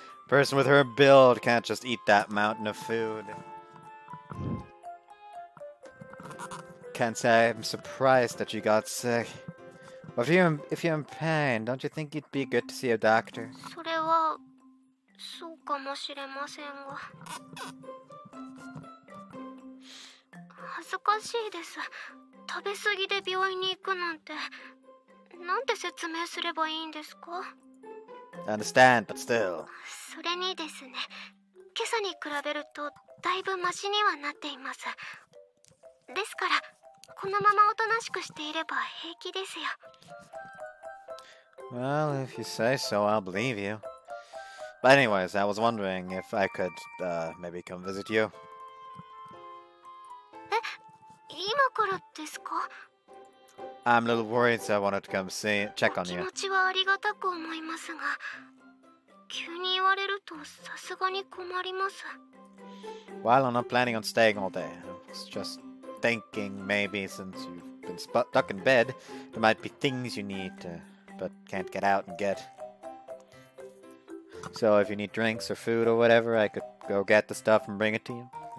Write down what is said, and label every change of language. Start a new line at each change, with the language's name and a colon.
English: Person with her build can't just eat that mountain of food. Can't say I'm surprised that you got sick. But if you're in pain, don't you think it'd be good to see a doctor?
Japanese: それはそうかもしれませんが恥ずかしいです。食べ過ぎで病院に行くなんて、なんて説明すればいいんですか?
English: I understand, but still.
Japanese: それにですね、今朝に比べるとだいぶマシにはなっています。ですから、このままおとなしくしていれば平気ですよ。
English: Well, if you say so, I'll believe you. But anyways, I was wondering if I could, maybe come visit you.
Japanese: 今からですか?
English: I'm a little worried, so I wanted to come see check on you.
Japanese: 気持ちはありがたく思いますが、急に言われるとさすがに困ります。
English: While I'm not planning on staying all day, I was just thinking maybe since you've been stuck in bed, there might be things you need to, but can't get out and get. So if you need drinks or food or whatever, I could go get the stuff and bring it to you.